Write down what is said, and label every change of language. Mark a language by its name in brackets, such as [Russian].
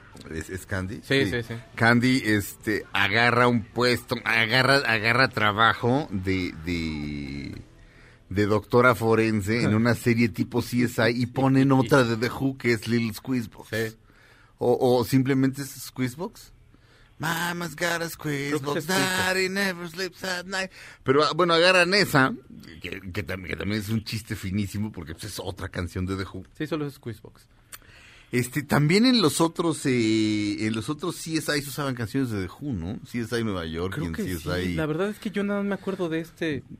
[Spanish] ¿Es Candy? Sí. Candy agarra un puesto, agarra trabajo de doctora forense en una serie tipo CSI y ponen otra de The Who, que es Little Squeezebox. Sí. O simplemente es Squeezebox. [English] Mama's got a Squeezebox, daddy never sleeps at night. [Spanish] Pero bueno, agarran esa, que también es un chiste finísimo porque es otra canción de The Who. Sí, solo es Squeezebox. También en los otros CSI usaban canciones de The Who, ¿no? CSI Nueva York. Creo que CSI... sí, la verdad es que yo nada más me acuerdo de este.